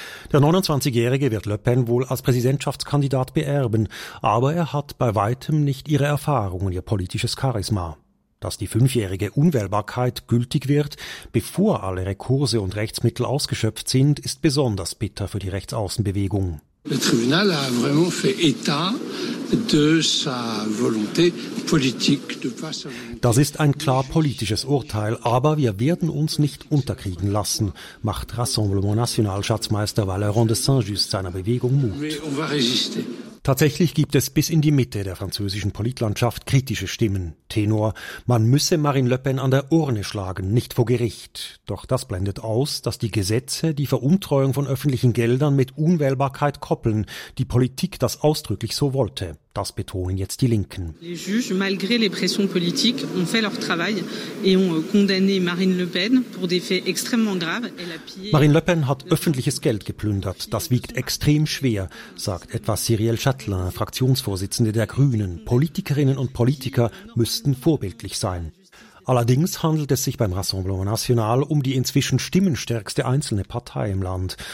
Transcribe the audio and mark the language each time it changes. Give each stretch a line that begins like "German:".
German: Der 29-Jährige wird Le Pen wohl als Präsidentschaftskandidat beerben, aber er hat bei weitem nicht ihre Erfahrung und ihr politisches Charisma. Dass die 5-jährige Unwählbarkeit gültig wird, bevor alle Rekurse und Rechtsmittel ausgeschöpft sind, ist besonders bitter für die Rechtsaußenbewegung.
French: Le tribunal a vraiment fait état de sa volonté politique de pas.
German: Das ist ein klar politisches Urteil, aber wir werden uns nicht unterkriegen lassen, macht Rassemblement National-Schatzmeister Valéron de Saint-Just seiner Bewegung Mut.
French: Mais on va résister.
German: Tatsächlich gibt es bis in die Mitte der französischen Politlandschaft kritische Stimmen. Tenor, man müsse Marine Le Pen an der Urne schlagen, nicht vor Gericht. Doch das blendet aus, dass die Gesetze die Veruntreuung von öffentlichen Geldern mit Unwählbarkeit koppeln, die Politik das ausdrücklich so wollte. Das betonen jetzt die Linken.
French: Les juges, malgré les pressions politiques, ont fait leur travail et ont condamné Marine Le Pen pour des faits extrêmement graves.
German: Marine Le Pen hat öffentliches Geld geplündert. Das wiegt extrem schwer, sagt etwa Cyrielle Chatelain, Fraktionsvorsitzende der Grünen. Politikerinnen und Politiker müssten vorbildlich sein. Allerdings handelt es sich beim Rassemblement National um die inzwischen stimmenstärkste einzelne Partei im Land.